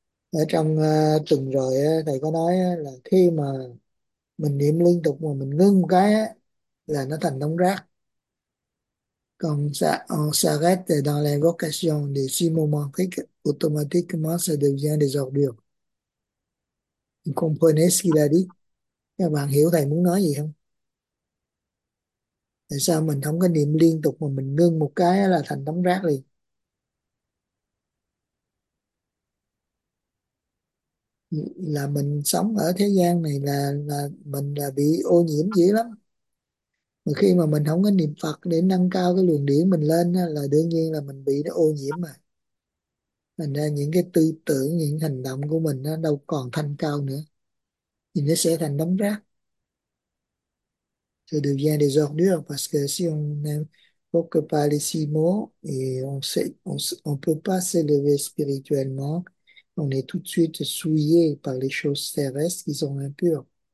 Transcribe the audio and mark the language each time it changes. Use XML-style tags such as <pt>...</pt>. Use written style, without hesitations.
<vi>Ở trong tuần rồi thầy có nói là khi mà mình niệm liên tục mà mình ngưng một cái là nó thành đống rác.</vi> <fr>Còn ça, on s'arrête dans l'invocation des six moments fixes, automatiquement ça devient des ordures. Vous comprenez ce qu'il a dit?</fr> <vi>Các bạn hiểu thầy muốn nói gì không? Tại sao mình không có niệm liên tục mà mình ngưng một cái là thành đống rác liền? Là mình sống ở thế gian này là mình là bị ô nhiễm dữ lắm. Mà khi mà mình không có niệm Phật để nâng cao cái luồng điển mình lên là đương nhiên là mình bị nó ô nhiễm mà. Thành ra những cái tư tưởng, những hành động của mình nó đâu còn thanh cao nữa. Thì nó sẽ thành đống rác.</vi> <fr>Ça devient des ordures parce que si on n'invoque pas les six mots et on peut pas s'élever spirituellement, on est tout de suite souillé par les choses terrestres qui sont impures.</fr>